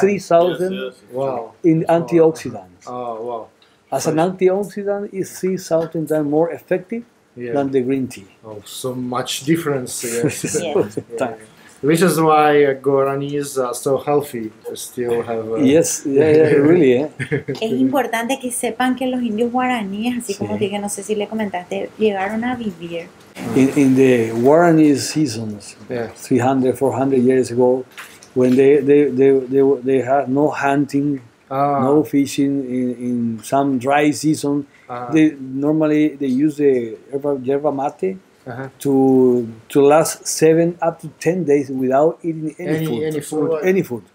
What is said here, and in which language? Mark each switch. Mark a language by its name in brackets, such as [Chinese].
[English] 3,000 in antioxidants. Oh, wow. As an antioxidant, it's 3,000 times more effective than the green tea. Oh, so much difference. Which is why Guaranis are so healthy, still have... really, [Spanish] Es importante que sepan que los indios guaraníes, así como dije, no sé si le comentaste, llegaron a vivir. [English] In the Guarani seasons, 300, 400 years ago, when they had no hunting, no fishing, in some dry season, they normally use the yerba mate, to last 7 up to 10 days without eating any food.